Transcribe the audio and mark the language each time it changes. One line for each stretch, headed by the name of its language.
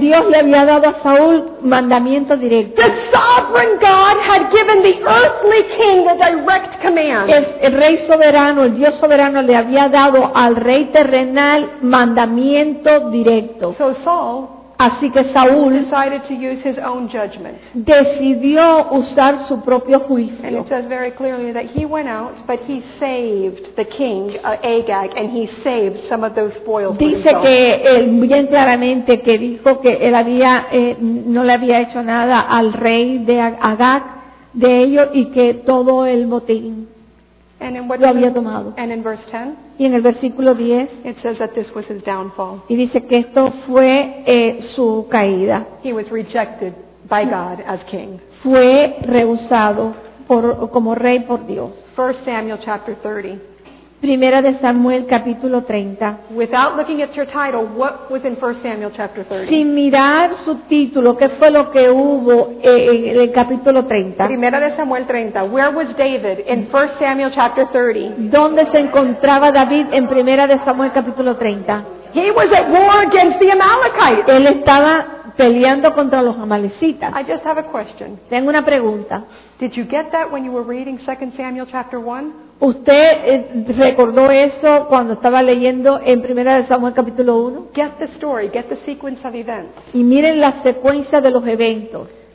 Spanish: Dios le había dado a Saúl mandamiento directo.
English: The sovereign God had given the earthly king a direct command.
Spanish: El rey soberano, el Dios soberano le había dado al rey terrenal mandamiento directo.
English: So Saul,
Spanish: así que Saúl
English: decided to use his own judgment.
Spanish: Decidió usar su propio juicio.
English: And it says very clearly that he went out, but he saved the king Agag, and he saved some of those spoils.
Spanish: Dice que él bien claramente que dijo que él había no le había hecho nada al rey de Agag de ellos y que todo el botín.
English: And in what
Spanish: lo había tomado.
English: And in verse 10,
Spanish: y en el versículo 10
English: it says that this was his downfall.
Spanish: Y dice que esto fue su caída.
English: He was rejected by God as king.
Spanish: Fue rehusado como rey por Dios.
English: 1 Samuel chapter 30.
Spanish: Primera de Samuel capítulo 30.
English: Without looking at your title, what was in 1 Samuel chapter 30?
Spanish: Sin mirar su título, ¿qué fue lo que hubo en el capítulo 30? Primera de Samuel 30.
English: Where was David in 1 Samuel chapter 30?
Spanish: ¿Dónde se encontraba David en Primera de Samuel capítulo 30?
English: He was at war against the Amalekites.
Spanish: Él estaba peleando contra los amalecitas.
English: I just have a question.
Spanish: Tengo una pregunta.
English: Did you get that when you were reading 2 Samuel chapter 1?
Spanish: ¿Usted recordó eso cuando estaba leyendo en Primera de Samuel capítulo 1?
English: Get the story, get the sequence of events.
Spanish: Y miren la secuencia de los eventos.